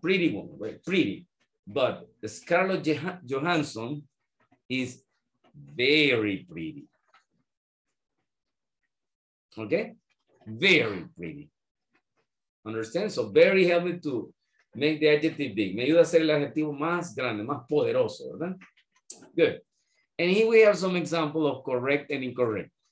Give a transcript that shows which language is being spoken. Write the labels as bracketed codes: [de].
[en] Pretty woman, right? Pretty. But Scarlett Johansson is very pretty. Okay? Very pretty. Understand? So, very helpful to make the adjective big. [es] Me ayuda a hacer el adjetivo más grande, más poderoso, ¿verdad? [en] Good. And here we have some examples of correct and incorrect.